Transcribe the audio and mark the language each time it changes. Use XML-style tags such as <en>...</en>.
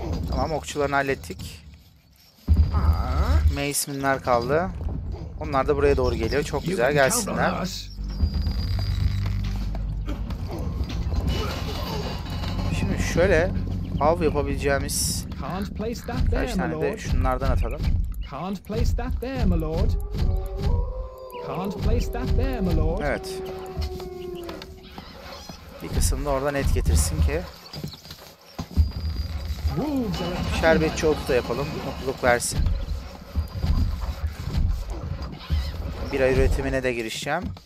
<tr>Tamam, okçularını hallettik. Mace'minler kaldı. Onlar da buraya doğru geliyor. Çok güzel, gelsinler. Şimdi şöyle av yapabileceğimiz kaç tane de şunlardan atalım.</tr> <en>Can't place that there, my lord. Can't place that there, my lord.</en> <tr>Evet. Bir kısım da oradan et getirsin ki. Şerbetçi otu da yapalım, mutluluk versin. Bir ay üretimine de girişeceğim.</tr>